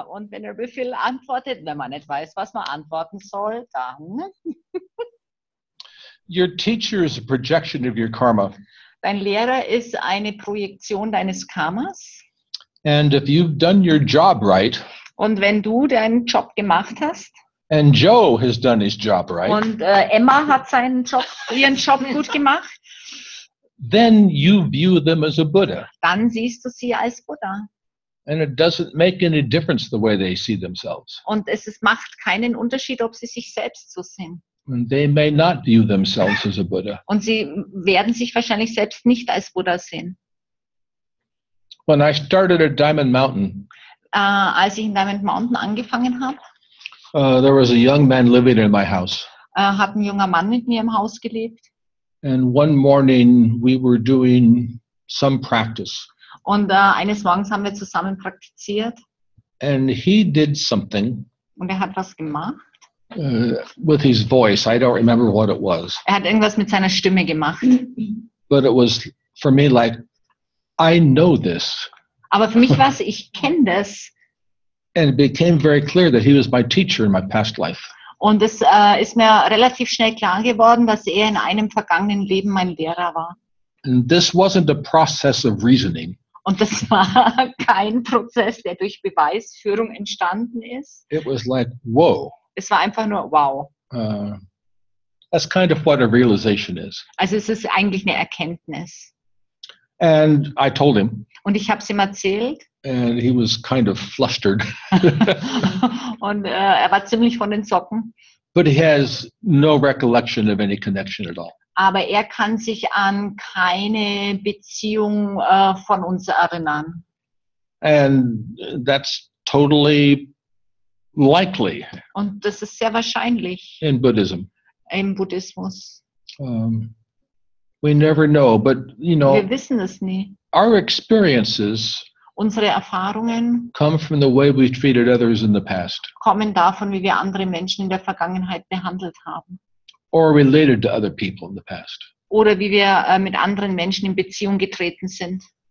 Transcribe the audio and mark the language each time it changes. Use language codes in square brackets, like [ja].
[de] Und Venerable Phil antwortet, wenn man nicht weiß, was man antworten soll, dann. [en] Your teacher is a projection of your karma. [de] Dein Lehrer ist eine Projektion deines Karmas. [en] And if you've done your job right, [de] und wenn du deinen Job gemacht hast, [en] and Joe has done his job right, [de] und Emma hat ihren Job gut gemacht, [en] then you view them as a Buddha. [de] Dann siehst du sie als Buddha. [en] And it doesn't make any difference the way they see themselves. [de] Und es macht keinen Unterschied, ob sie sich selbst so sehen. [en] And they may not view themselves as a Buddha. [de] Und sie werden sich wahrscheinlich selbst nicht als Buddha sehen. [en] When I started at Diamond Mountain, [de] als ich in Diamond Mountain angefangen habe, [en] there was a young man living in my house. [de] Hat ein junger Mann mit mir im Haus gelebt. [en] And one morning we were doing some practice. [de] Und eines Morgens haben wir zusammen praktiziert. [en] And he did something. [de] Und hat was gemacht. [en] With his voice, I don't remember what it was. [de] Hat irgendwas mit seiner Stimme gemacht. [en] But it was for me like, I know this. [de] Aber für mich war's, ich kenne das. [en] And it became very clear that he was my teacher in my past life. [de] Und es ist mir relativ schnell klar geworden, dass er in einem vergangenen Leben mein Lehrer war. [en] And this wasn't a process of reasoning. [de] Und das war kein Prozess, der durch Beweisführung entstanden ist. [en] It was like, whoa. [de] Es war einfach nur, wow. [en] That's kind of what a realization is. [de] Also es ist eigentlich eine Erkenntnis. [en] And I told him. [de] Und ich habe es ihm erzählt. [en] And he was kind of flustered. [de] Und er war ziemlich von den Socken. [en] But he has no recollection of any connection at all. [de] Aber er kann sich an keine Beziehung von uns erinnern. [en] And that's totally likely. [de] Und das ist sehr wahrscheinlich. [en] In Buddhism. [de] Im Buddhismus. [en] We never know, but you know. [de] Wir wissen es nie. [en] Our experiences. [de] Unsere Erfahrungen. [en] Come from the way we treated others in the past. [de] Kommen davon, wie wir andere Menschen in der Vergangenheit behandelt haben. [en] Or related to other people in the past. [de] Oder wie wir mit anderen Menschen in Beziehung getreten sind.